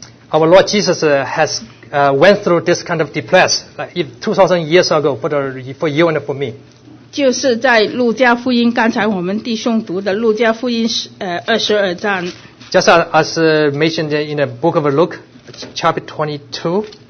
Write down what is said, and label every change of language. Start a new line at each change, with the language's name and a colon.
English: Our Lord Jesus went through this kind of depressed like 2000 years ago for you and for me.
Chinese: 就是在路加福音，刚才我们弟兄读的路加福音22章。
English: Just as mentioned in the book of Luke, chapter 22,